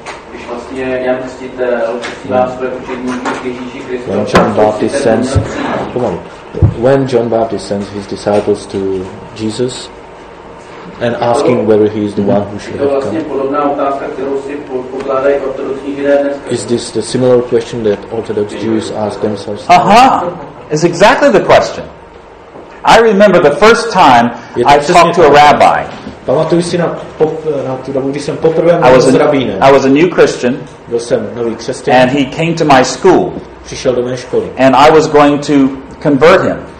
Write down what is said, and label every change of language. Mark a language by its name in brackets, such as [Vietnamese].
[Czech] Když vlastně Jan Křtitel posílá své učedníky k Ježíši Kristu. [English] When John Baptist sends, come on. When John Baptist sends his disciples to Jesus and asking whether he is the one who should have come. Is this the similar question that Orthodox Jews ask themselves? It's exactly the question. I remember the first time I talked to a rabbi. [Czech] Pamatuju si na tu dobu, kdy jsem poprvé mluvil s rabínem. [English] I was a new Christian. [Czech] Byl jsem nový křesťan. [English] And he came to my school. [Czech] Přišel do mé školy. [English] And I was going to convert him.